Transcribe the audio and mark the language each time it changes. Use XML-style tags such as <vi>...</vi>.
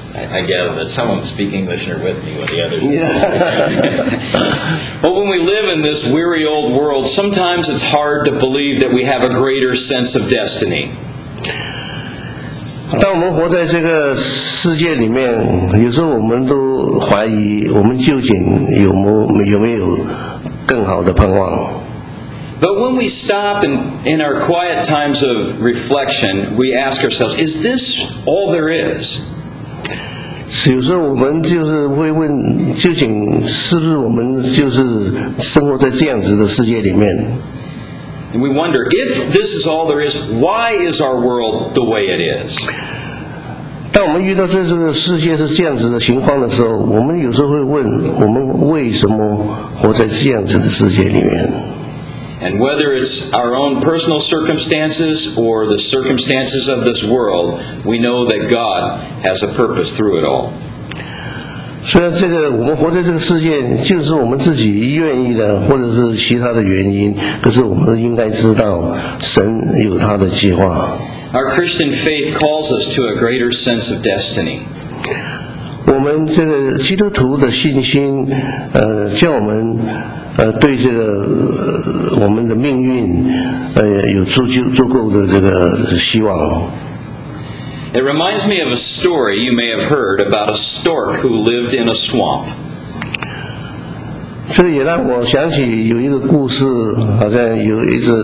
<en>I gather that some of them speak English and are with me, while the others. Yeah. But when we live in this weary old world, sometimes it's hard to believe that we have a greater sense of destiny.</en> <zh>当我们活在这个世界里面，有时候我们都怀疑，我们究竟有没有更好的盼望。</zh> <en>But when we stop and in our quiet times of reflection, we ask ourselves, "Is this all there is?"</en> <zh>有时候我们就是会问，究竟是不是我们就是生活在这样子的世界里面？</zh> <en>And we wonder, if this is all there is, why is our world the way it is?</en> <zh>当我们遇到这个世界是这样子的情况的时候，我们有时候会问，我们为什么活在这样子的世界里面？</zh> <en>And whether it's our own personal circumstances or the circumstances of this world, we know that God has a purpose through it all.</en> <zh>虽然这个我们活在这个世界，就是我们自己愿意的，或者是其他的原因，可是我们应该知道，神有他的计划。</zh> <en>Our Christian faith calls us to a greater sense of destiny.</en> <zh>我们这个基督徒的信心，叫我们对这个我们的命运，有足够的这个希望。</zh> <en>It reminds me of a story you may have heard about a stork who lived in a swamp.</en> <zh>这也让我想起有一个故事，好像有一只</zh>